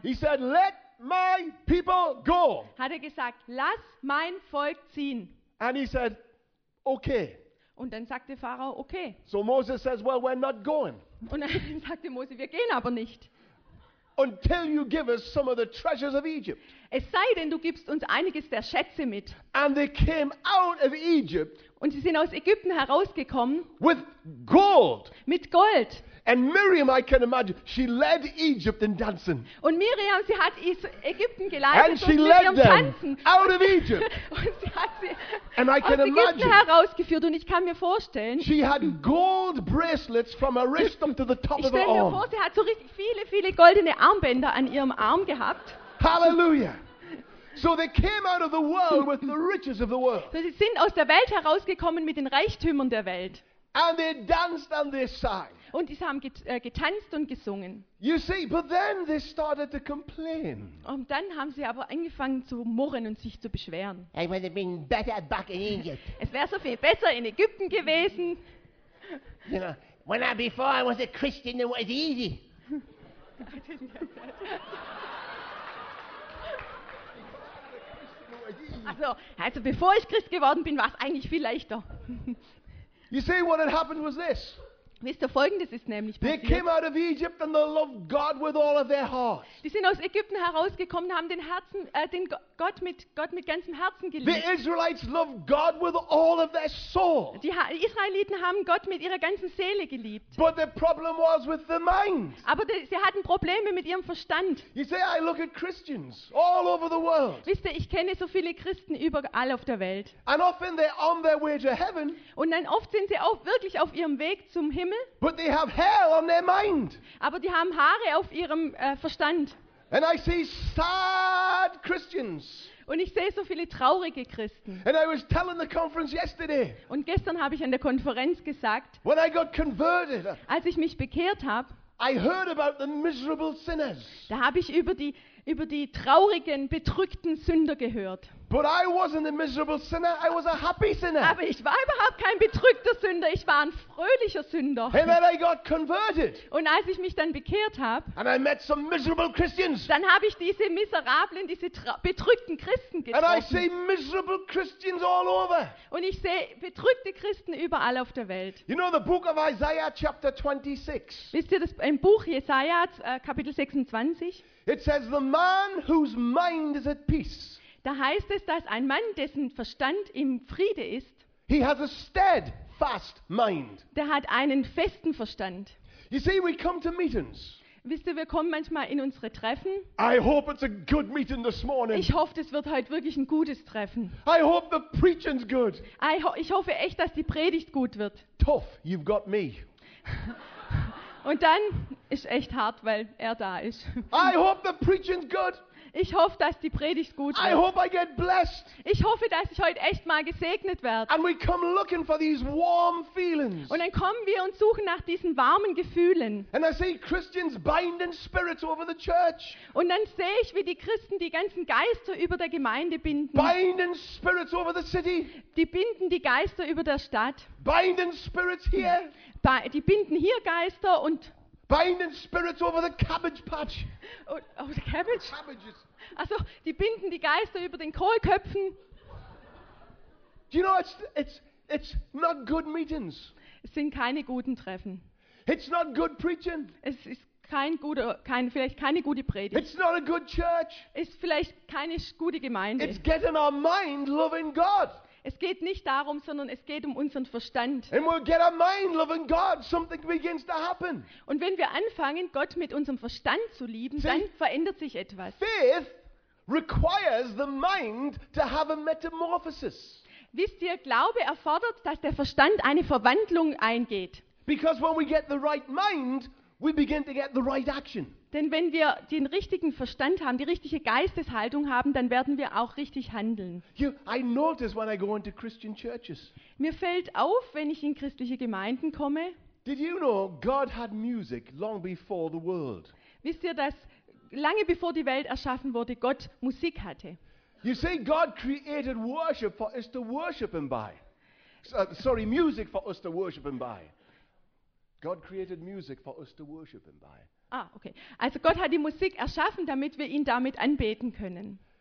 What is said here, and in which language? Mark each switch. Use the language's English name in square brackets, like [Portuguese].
[English] He said, "Let my people go." [German] Hat er gesagt, "Lass mein Volk ziehen." [English] And he said, "Okay." [German] Und dann sagte Pharao, "Okay." [English] So Moses says, "Well, we're not going." [German] Und dann sagte Mose, "Wir gehen aber nicht." [English] Until you give us some of the treasures of Egypt. [German] Es sei denn, du gibst uns einiges der Schätze mit. [English] And they came out of Egypt. [German] Und sie sind aus Ägypten herausgekommen. [English] With gold. [German] Mit Gold. [English] And Miriam, I can imagine, she led Egypt in dancing. [German] Und Miriam, sie hat Ägypten geleitet [English] and she [German] und [English] led [German] Miriam [English] them [German] tanzen. [English] Out of Egypt. [German] Und sie hat sie [English] and I can imagine. [German] Aus Ägypten herausgeführt und ich kann mir vorstellen. [English] She had gold bracelets from her wrist up to the top of her arm. [German] Ich stelle mir vor, sie hat so richtig viele, viele goldene Armbänder an ihrem Arm gehabt. [English] Hallelujah. So they came out of the world with the riches of the world. [German] Sie sind aus der Welt herausgekommen mit den Reichtümern der Welt. [English] And they danced and they sang. [German] Und sie haben getanzt und gesungen. [English] You see, but then they started to complain. [German] Und dann haben sie aber angefangen zu murren und sich zu beschweren. [English] It would have been better back in Egypt. [German] Es wäre so viel besser in Ägypten gewesen. [English] You know, when I before I was a Christian, it was easy. [German] Also bevor ich Christ geworden bin, war es eigentlich viel leichter. [English] You see, what had happened was this. [German] Wisst ihr, Folgendes ist nämlich passiert. [English] They came out of Egypt and they loved God with all of their heart. [German] Die sind aus Ägypten herausgekommen, haben den Gott mit ganzem Herzen geliebt. [English] The Israelites loved God with all of their soul. [German] Die Israeliten haben Gott mit ihrer ganzen Seele geliebt. [English] But the problem was with the mind. [German] Aber sie hatten Probleme mit ihrem Verstand. [English] You say, I look at Christians all over the world. [German] Wisst ihr, ich kenne so viele Christen überall auf der Welt. [English] And often they're on their way to heaven. [German] Und dann oft sind sie auch wirklich auf ihrem Weg zum Himmel. [English] But they have hair on their mind. [German] Aber die haben Haare auf ihrem Verstand. [English] And I see sad Christians. [German] Und ich sehe so viele traurige Christen. [English] And I was telling the conference yesterday. [German] Und gestern habe ich an der Konferenz gesagt. [English] When I got converted. [German] Als ich mich bekehrt habe. [English] I heard about the miserable sinners. [German] Da habe ich über die traurigen, bedrückten Sünder gehört. [English] But I wasn't a miserable sinner, I was a happy sinner. [German] Aber ich war überhaupt kein bedrückter Sünder, ich war ein fröhlicher Sünder. [English] And then I got converted. [German] Und als ich mich dann bekehrt habe, [English] and I met some miserable Christians. [German] Dann habe ich diese miserablen, diese bedrückten Christen getroffen. [English] And I see miserable Christians all over. [German] Und ich sehe bedrückte Christen überall auf der Welt. [English] You know the book of Isaiah chapter 26. [German] Wisst ihr das im Buch Jesaja Kapitel 26? [English] It says the man whose mind is at peace. [German] Da heißt es, dass ein Mann, dessen Verstand im Friede ist, [English] he has a steadfast mind. [German] Der hat einen festen Verstand. [English] You see, we come to meetings. [German] Wisst ihr, wir kommen manchmal in unsere Treffen. [English] I hope it's a good meeting this morning. [German] Ich hoffe, es wird heute wirklich ein gutes Treffen. [English] I hope the preaching's good. [German] Ich hoffe echt, dass die Predigt gut wird. [English] Tough, you've got me. [German] Und dann ist echt hart, weil er da ist. [English] I hope the preaching's good. [German] Ich hoffe, dass die Predigt gut wird. [English] I hope I get blessed. [German] Ich hoffe, dass ich heute echt mal gesegnet werde. [English] And we come looking for these warm feelings. [German] Und dann kommen wir und suchen nach diesen warmen Gefühlen. [English] And I see Christians binding spirits over the church. [German] Und dann sehe ich, wie die Christen die ganzen Geister über der Gemeinde binden. [English] Binding spirits over the city. [German] Die binden die Geister über der Stadt. [English] Binding spirits here. [German] Die binden hier Geister und [English] binding spirits over the cabbage patch. Oh, the cabbage? Cabbages. [German] Also, die binden die Geister über den Kohlköpfen. [English] Do you know, it's not good meetings. [German] Es sind keine guten Treffen. [English] It's not good preaching. [German] Es ist vielleicht keine gute Predigt. [English] It's not a good church. [German] Ist vielleicht keine gute Gemeinde. [English] It's getting our mind loving God. [German] Es geht nicht darum, sondern es geht um unseren Verstand. [English] And we'll get our mind loving God, something begins to happen. [German] Und wenn wir anfangen, Gott mit unserem Verstand zu lieben, [English] see, [German] dann verändert sich etwas. [English] Faith requires the mind to have a metamorphosis. [German] Wisst ihr, Glaube erfordert, dass der Verstand eine Verwandlung eingeht. [English] Because when we get the right mind, we begin to get the right action. [German] Denn wenn wir den richtigen Verstand haben, die richtige Geisteshaltung haben, dann werden wir auch richtig handeln. [English] You, I notice when I go into Christian churches. [German] Mir fällt auf, wenn ich in christliche Gemeinden komme. [English] Did you know God had music long before the world? [German] Wisst ihr, dass lange bevor die Welt erschaffen wurde, Gott Musik hatte? [English] You see, God created worship for us to worship Him by. music for us to worship him by. God created music for us to worship him by. Ah, okay. [German] Also Gott hat die Musik erschaffen, damit wir ihn damit anbeten können.